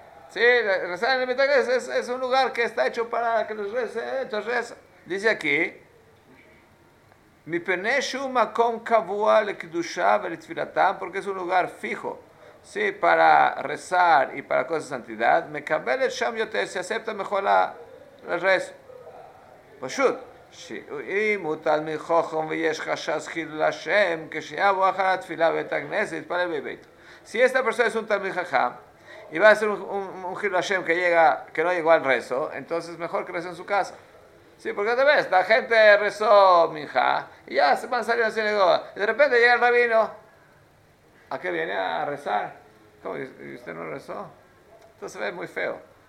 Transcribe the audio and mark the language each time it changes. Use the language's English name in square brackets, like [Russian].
[Spanish] Sí, rezar en el mitzvah es un lugar que está hecho para que los reces, entonces reza. Dice aquí, [Hebrew] Mi peneshu makom kavua le kedusha vele tfilatam, [Spanish] porque es un lugar fijo, sí, para rezar y para cosas de santidad. [Hebrew] Me kabel el sham yote, [Spanish] se acepta mejor el rezo. [Hebrew] Pashut. אם הוא תלמיד חוכם ויש חשש חילול השם, כשיבוא אחר התפילה בבית הכנסת, יתפלל בביתו. [Spanish] Si esta persona es un talmid jajam y va a hacer un chilul Hashem que llega, que no llegó al rezo, entonces mejor que reza en su casa. Sí, porque otra vez, la gente rezó minja y ya se van saliendo así, digo, y de repente llega el rabino. ¿A qué viene a rezar? ¿Cómo? ¿Y usted no rezó? Entonces se ve muy feo.